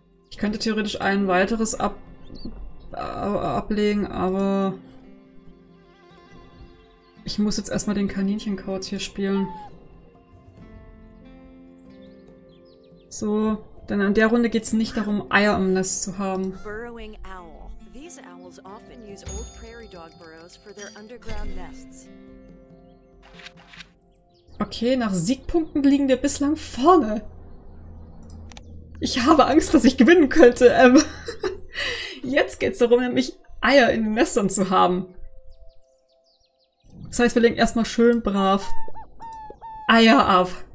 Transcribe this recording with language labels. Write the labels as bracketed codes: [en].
[de] Ich könnte theoretisch ein weiteres ablegen, aber ich muss jetzt erstmal den Kaninchencode hier spielen. So, denn in der Runde geht es nicht darum, Eier im Nest zu haben. [en] These owls often use old prairie dog burrows for their underground nests. [de] Okay, nach Siegpunkten liegen wir bislang vorne. Ich habe Angst, dass ich gewinnen könnte. Jetzt geht es darum, nämlich Eier in den Nestern zu haben. Das heißt, wir legen erstmal schön brav Eier ab.